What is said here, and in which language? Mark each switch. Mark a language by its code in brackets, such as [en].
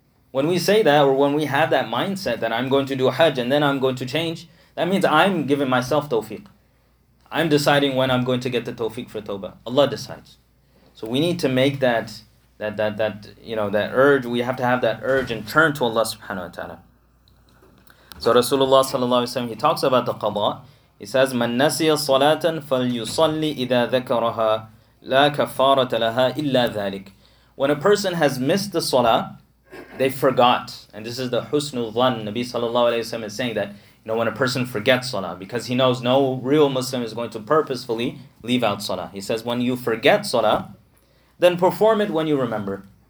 [en] When we say that, or when we have that mindset that I'm going to do hajj and then I'm going to change, that means I'm giving myself tawfiq. I'm deciding when I'm going to get the tawfiq for tawbah. Allah decides. So we need to make that urge. We have to have that urge and turn to Allah subhanahu wa ta'ala. So Rasulullah sallallahu alayhi wa sallam, he talks about the qada. He says, [ar] مَن نَسِيَ صَلَاتًا فَلْيُصَلِّ إِذَا ذَكَرَهَا لَا كَفَّارَةَ لَهَا إِلَّا ذَلِكَ. [en] When a person has missed the salah, they forgot. And this is the husnul dhan. Nabi sallallahu alayhi wa sallam is saying that, you know, when a person forgets salah, because he knows no real Muslim is going to purposefully leave out salah. He says, when you forget salah, then perform it when you remember.